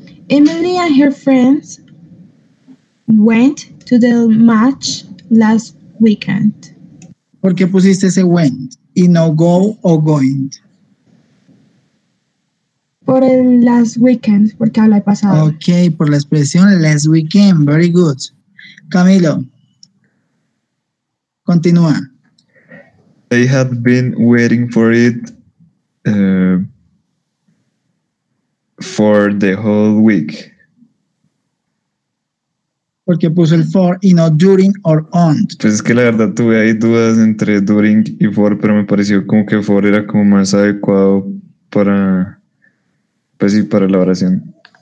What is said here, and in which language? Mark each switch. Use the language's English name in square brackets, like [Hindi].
[English] Emily and her friends went to the match last weekend. [Spanish] ¿Por qué pusiste ese went y no go o going? Por el last weekend, porque habla de pasado. Ok, por la expresión last weekend. [English] Very good. [Spanish] Camilo, continúa. [English] They had been waiting for it for the whole week. [Spanish] Porque puso el for y no during or on. Pues es que la verdad tuve ahí dudas entre during y for, pero me pareció como que for era como más adecuado para, pues sí, para la oración.